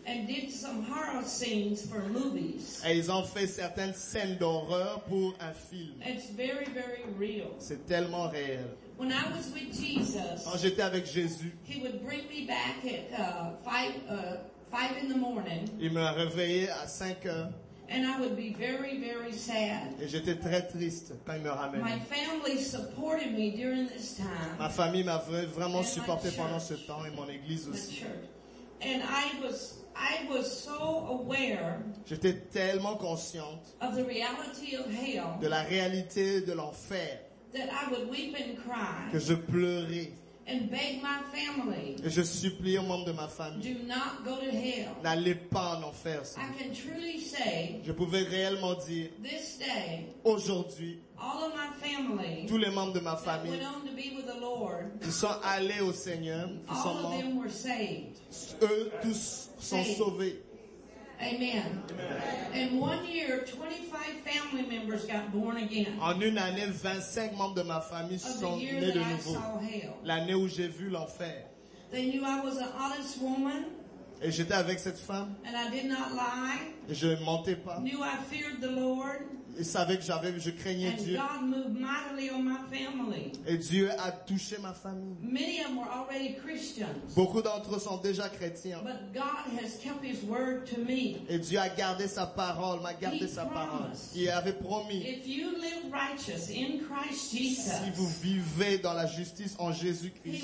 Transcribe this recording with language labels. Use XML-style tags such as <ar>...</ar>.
<en>And did some horror scenes for movies.</en> <fr>Et ils ont fait certaines scènes d'horreur pour un film.</fr> <en>It's very, very real.</en> <fr>C'est tellement réel.</fr> <en>When I was with Jesus,</en> <fr>quand j'étais avec Jésus,</fr> <en>he would bring me back at, five in the morning,</en> <fr>il me réveillait à 5 heures.</fr> <en>And I would be very, very sad.</en> <fr>Et j'étais très triste quand il me ramenait.</fr> <en>My family supported me during this time.</en> <fr>Ma famille m'avait vraiment supporté pendant ce temps et mon église aussi.</fr> <en>And I was so aware.</en> <fr>J'étais tellement consciente</fr> <en>of the reality of hell.</en> <fr>De la réalité de l'enfer.</fr> <en>That I would weep and cry.</en> <fr>Que je pleurais.</fr> <en>And beg my family.</en> <fr>Et je supplie aux membres de ma famille.</fr> <en>Do not go to hell.</en> <fr>N'allez pas en enfer. Ça.</fr> <en>I can truly say.</en> <fr>Je pouvais réellement dire.</fr> <en>This day.</en> <fr>Aujourd'hui.</fr> <en>All of my family.</en> <fr>Tous les membres de ma famille.</fr> <en>Went on to be with the Lord.</en> <fr>Qui sont allés au Seigneur.</fr> <en>All of them were saved.</en> <fr>Eux tous sont</fr> <en>saved.</en> <fr>Sauvés.</fr> <en>Amen.</en> <fr>Amen.</fr> <en>In 1 year, 25 family members got born again.</en> <fr>En une année, 25 membres de ma famille sont nés de nouveau. L'année où j'ai vu l'enfer.</fr> <en>They knew I was an honest woman.</en> <fr>Et j'étais avec cette femme.</fr> <en>And I did not lie.</en> <fr>Et je ne mentais pas.</fr> <en>Knew I feared the Lord.</en> <fr>Ils savaient que je craignais</fr> <en>and</en> <fr>Dieu.</fr> <en>God moved mightily on my family.</en> <fr>Et Dieu a touché ma famille.</fr> <en>Many of them were already Christians.</en> <fr>Beaucoup d'entre eux sont déjà chrétiens.</fr> <en>But God has kept his word to me.</en> <fr>Et Dieu a gardé sa parole, m'a gardé</fr> <en>he</en> <fr>sa</fr> <en>promised,</en> <fr>parole. Il avait promis.</fr> <en>If you live righteous in Christ Jesus,</en> <fr>si vous vivez dans la justice en Jésus-Christ,</fr>